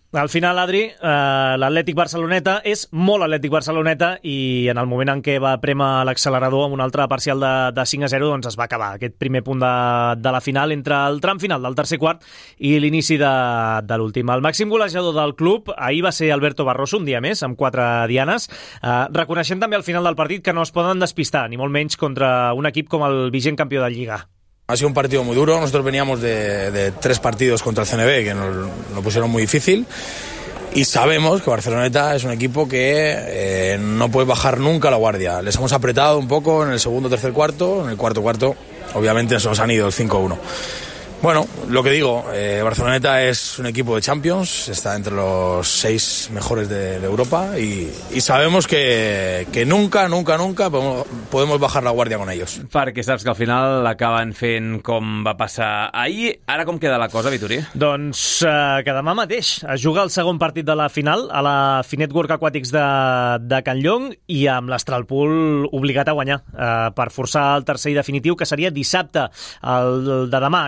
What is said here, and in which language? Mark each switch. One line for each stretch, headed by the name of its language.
Catalan: Al final, Adri, l'Atlètic Barceloneta és molt Atlètic Barceloneta i en el moment en què va prémer l'accelerador amb un altre parcial de 5-0, doncs es va acabar aquest primer punt de la final entre el tram final del tercer quart i l'inici de l'últim. El màxim golejador del club ahir va ser Alberto Barroso, un dia més, amb 4 dianes. Reconeixem també al final del partit que no es poden despistar, ni molt menys contra un equip com el vigent campió de Lliga.
Spanish: Ha sido un partido muy duro, nosotros veníamos de 3 partidos contra el CNB que nos lo pusieron muy difícil y sabemos que Barceloneta es un equipo que no puede bajar nunca la guardia. Les hemos apretado un poco en el segundo, tercer cuarto, en el cuarto cuarto obviamente se nos han ido el 5-1. Bueno, lo que digo, Barceloneta es un equipo de Champions, está entre los 6 mejores de Europa y sabemos que nunca, nunca, nunca podemos bajar la guardia con ellos.
Catalan: Perquè saps que al final acaben fent com va passar ahir. Ara com queda la cosa, Vituri? Doncs que demà mateix es juga el segon partit de la final a la Finetwork Aquatics de Can Llong i amb l'Astralpool obligat a guanyar per forçar el tercer i definitiu, que seria dissabte, el de demà.